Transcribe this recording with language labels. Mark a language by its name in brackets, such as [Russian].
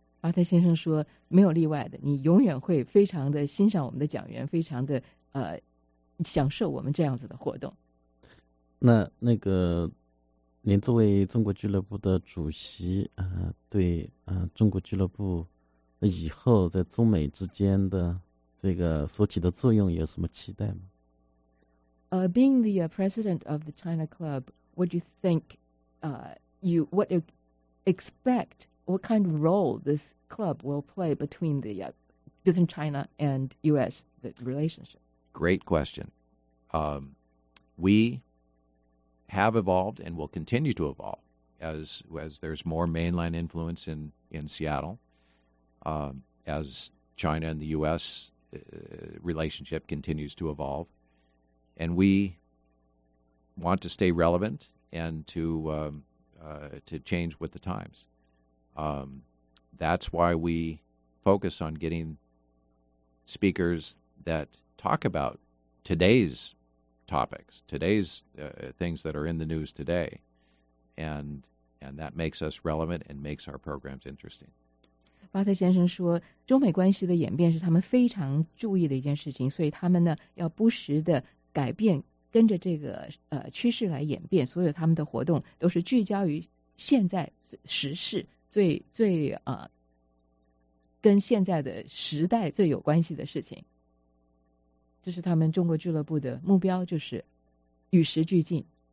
[Chinese] 巴特先生说没有例外的，你永远会非常的欣赏我们的讲员，非常的享受我们这样子的活动。那个您作为中国俱乐部的主席对中国俱乐部以后在中美之间的这个所起的作用有什么期待吗？ [English] Being the president of the China Club, what do you think what you expect? What kind of role this club will play between the between China and U.S. the relationship? Great question. We have evolved and will continue to evolve as there's more mainland influence in Seattle, as China and the U.S. Relationship continues to evolve, and we want to stay relevant and to change with the times. That's why we focus on getting speakers that talk about today's topics, today's things that are in the news today, and that makes us relevant and makes our programs interesting. [Chinese] 巴特先生说，中美关系的演变是他们非常注意的一件事情，所以他们呢要不时的改变，跟着这个趋势来演变，所有他们的活动都是聚焦于现在时事。最跟现在的时代最有关系的事情，这是他们中国俱乐部的目标，就是与时俱进。